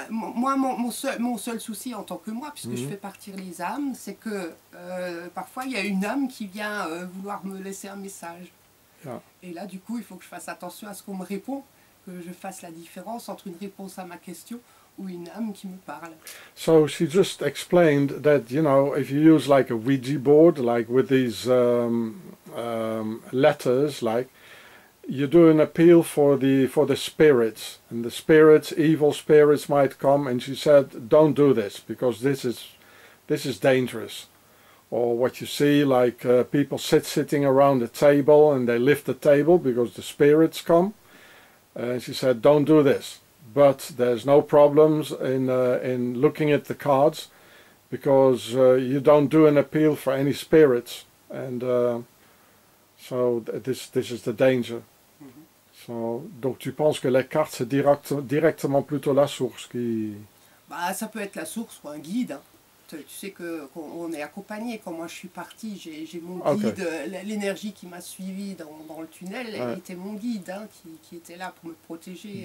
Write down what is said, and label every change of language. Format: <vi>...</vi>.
<fr>Moi, mon seul souci en tant que moi, puisque je fais partir les âmes, c'est que parfois il y a une âme qui vient vouloir me laisser un message.</fr> <en>Yeah.</en> <fr>Et là, du coup, il faut que je fasse attention à ce qu'on me répond, que je fasse la différence entre une réponse à ma question ou une âme qui me parle.</fr> <en>So she just explained that, you know, if you use like a Ouija board, like with these letters, like. You do an appeal for the spirits, and the spirits, evil spirits, might come. And she said, "Don't do this because this is dangerous." Or what you see, like people sitting around the table and they lift the table because the spirits come. And she said, "Don't do this." But there's no problems in looking at the cards because you don't do an appeal for any spirits, and so this is the danger.</en> <fr>Donc tu penses que les cartes, c'est directement plutôt la source qui... Bah, ça peut être la source ou un guide. Hein. Tu sais qu'on est accompagné. Quand moi je suis parti, j'ai mon guide, l'énergie qui m'a suivi dans le tunnel, elle était mon guide, hein, qui était là pour me protéger.</fr>